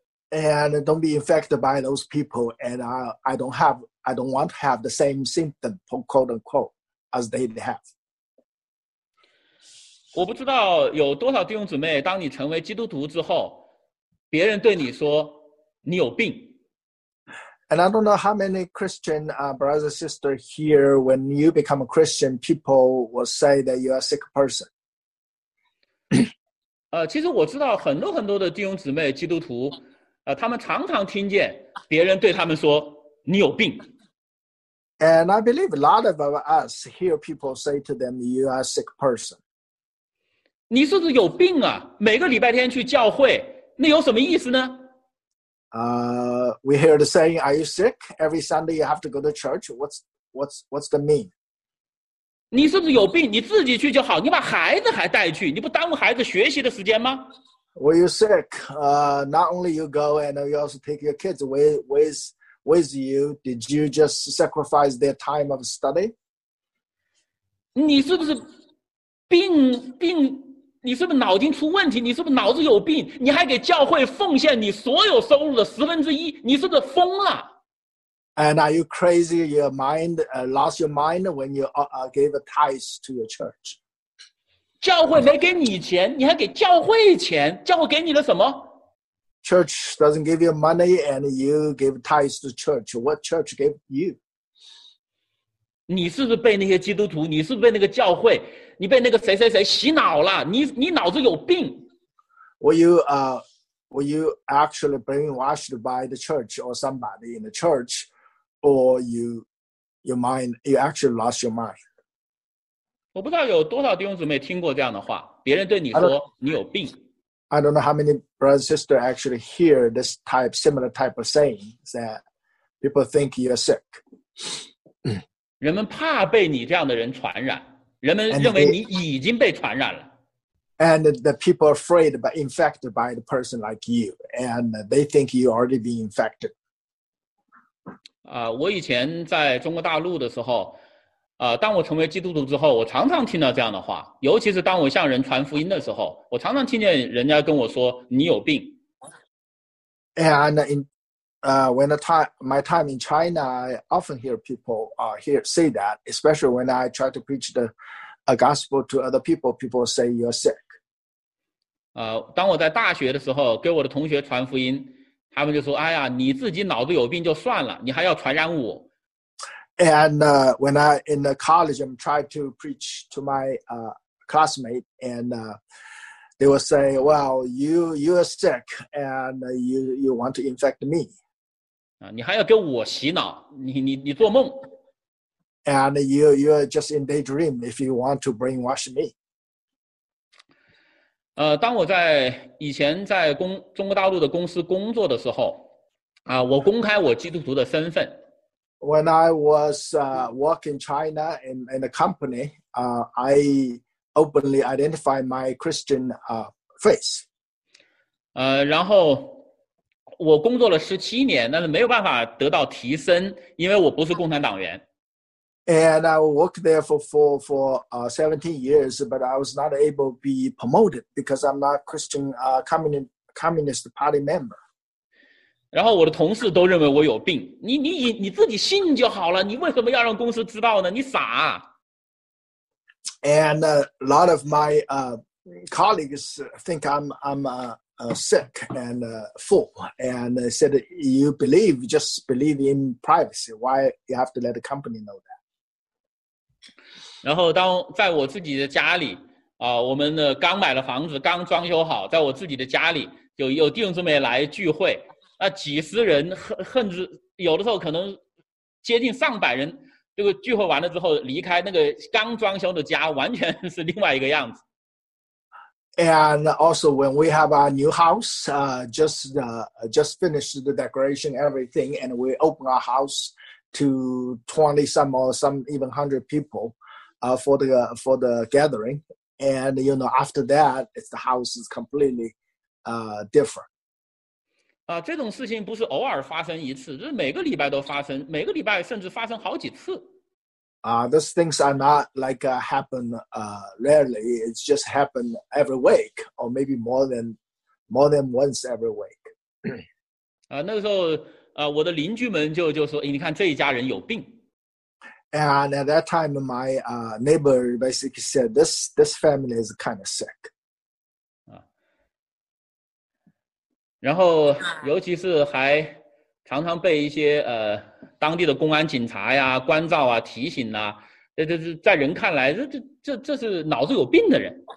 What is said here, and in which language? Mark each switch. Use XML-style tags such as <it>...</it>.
<en>And don't be infected by those people, and I don't want to have the same symptom, quote unquote, as they have.</en> <zh>我不知道有多少弟兄姊妹，当你成为基督徒之后，别人对你说你有病。</zh> <en>And I don't know how many Christian brothers and sisters here, when you become a Christian, people will say that you are a sick person.</en> <zh>其实我知道很多很多的弟兄姊妹、基督徒，他们常常听见别人对他们说你有病。</zh> <en>And I believe a lot of us hear people say to them, "You are a sick person."</en> <zh>你是不是有病啊？每个礼拜天去教会，那有什么意思呢？</zh> <en>We hear the saying, "Are you sick? Every Sunday you have to go to church." What's the mean?</en> <zh>你是不是有病？你自己去就好，你把孩子还带去，你不耽误孩子学习的时间吗</zh> <en>？Were you sick? Not only you go and you also take your kids with you. Did you just sacrifice their time of study?</en> <zh>你是不是病？你是不是脑筋出问题？你是不是脑子有病？你还给教会奉献你所有收入的十分之一？你是不是疯了</zh> <en>？And are you crazy? Your mind lost your mind when you gave a tithe to your church?</en> <zh>教会没给你钱，你还给教会钱？教会给你了什么</zh> <en>？Church doesn't give you money, and you give tithe to church. What church gave you?</en> <zh>你是不是被那些基督徒？你是不是被那个教会？你被那个谁谁谁洗脑了，你脑子有病。</zh> <en>Were you actually brainwashed by the church or somebody in the church, or you actually lost your mind?</en> <zh>我不知道有多少弟兄姊妹听过这样的话，别人对你说你有病。</zh> <en>I don't know how many brothers and sisters actually hear this type, similar type of saying that people think you're sick.</en> <zh>人们怕被你这样的人传染。人们认为你已经被传染了</zh> <en>and the people are afraid but infected by the person like you, and they think you already been infected.</en> <zh>我以前在中国大陆的时候，当我成为基督徒之后，我常常听到这样的话，尤其是当我向人传福音的时候，我常常听见人家跟我说你有病。</zh> <en>And when my time in China, I often hear people say that, especially when I try to preach a gospel to other people, people say you're sick.</en> <zh>当我在大学的时候给我的同学传福音，他们就说，哎呀，你自己脑子有病就算了，你还要传染我。</zh> <en>And when I in the college, I'm trying to preach to my classmate, and They will say, "Wow, you are sick and you want to infect me."</en> <zh>啊，你还要给我洗脑？你做梦</zh> <en>？And you are just in daydream if you want to brainwash me.</en> <zh>当我在以前在中国大陆的公司工作的时候，啊，我公开我基督徒的身份。</zh> <en>When I was working in China in a company, I openly identify my Christian faith.</en> <zh>然后我工作了17年，但是没有办法得到提升，因为我不是共产党员。</zh> <en>And I worked there for 17 years, but I was not able to be promoted because I'm not Christian Communist Party member.</en> <zh>然后我的同事都认为我有病，你自己信就好了，你为什么要让公司知道呢？你傻啊。</zh> <en>And a lot of my colleagues think I'm sick and fool, and said you believe, just believe in privacy. Why you have to let the company know that?</en> <zh>然后当在我自己的家里啊，我们的刚买了房子，刚装修好，在我自己的家里就有弟兄姊妹来聚会，那几十人恨之，有的时候可能接近上百人。这个聚会完了之后离开那个刚装修的家完全是另外一个样子。</zh> <en>And also when we have our new house, just finished the decoration, everything, and we open our house to 20 some or some even 100 people for the gathering. And you know, after that, the house is completely different.</en> <zh>这种事情不是偶尔发生一次，这是每个礼拜都发生，每个礼拜甚至发生好几次。</zh> <en>Those things are not like happen rarely. It's just happen every week, or maybe more than once every week.</en> <zh>那个时候，我的邻居们就说，你看这一家人有病。</zh> <en>And at that time, my neighbor basically said, this family is kind of sick.</en> <zh>然后，尤其是还常常被一些当地的公安警察呀、关照啊、提醒啊，这是在人看来，这是脑子有病的人。</zh>